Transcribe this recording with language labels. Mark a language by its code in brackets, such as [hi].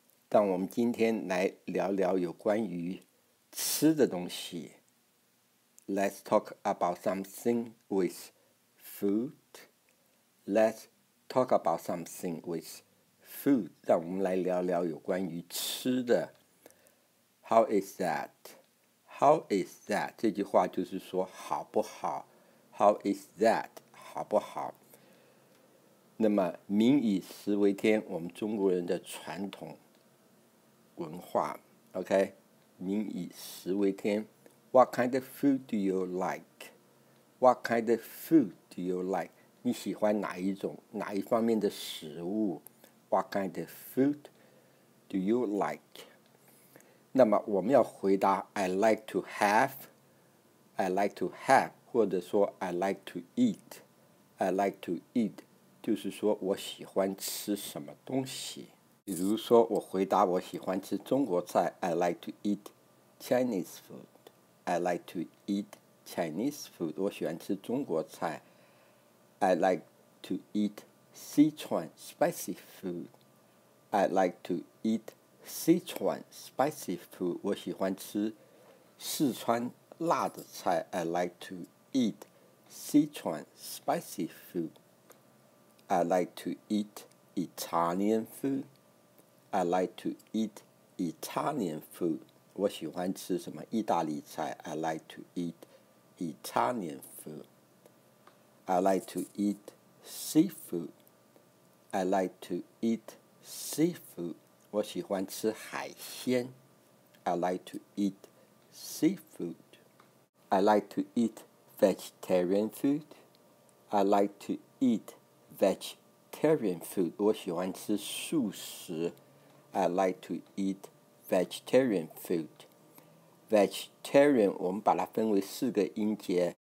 [zh] 让我们今天来聊聊有关于吃的东西。 [en] Let's talk about something with food. Let's talk about something with food. [zh] 让我们来聊聊有关于吃的。 [en] How is that? How is that? [zh] 这句话就是说好不好。 [en] How is that? [zh] 好不好。那么民以食为天，我们中国人的传统文化 OK 民以食为天。 [en] What kind of food do you like? What kind of food do you like? [zh] 你喜欢哪一种哪一方面的食物？ [en] What kind of food do you like? [zh] 那么我们要回答 [en] I like to have [zh] 或者说 [en] I like to eat [zh] 就是说我喜欢吃什么东西。比如说我回答我喜欢吃中国菜， [en] I like to eat Chinese food. I like to eat Chinese food. [zh] 我喜欢吃中国菜。 [en] I like to eat Sichuan spicy food. I like to eat Sichuan spicy food. [zh] 我喜欢吃四川辣的菜。 [en] I like to eat Sichuan spicy food. I like to eat Italian food. I like to eat Italian food. [zh] 我喜欢吃什么意大利菜。 [en] I like to eat Italian food. I like to eat seafood. I like to eat seafood. [zh] 我喜欢吃海鲜。 [en] I like to eat seafood. I like to eat vegetarian food. I like to eat vegetarian food. Vegetarian food, [zh] 我喜欢吃素食。 [en] I like to eat vegetarian food. [zh] Vegetarian, 我们把它分为四个音节。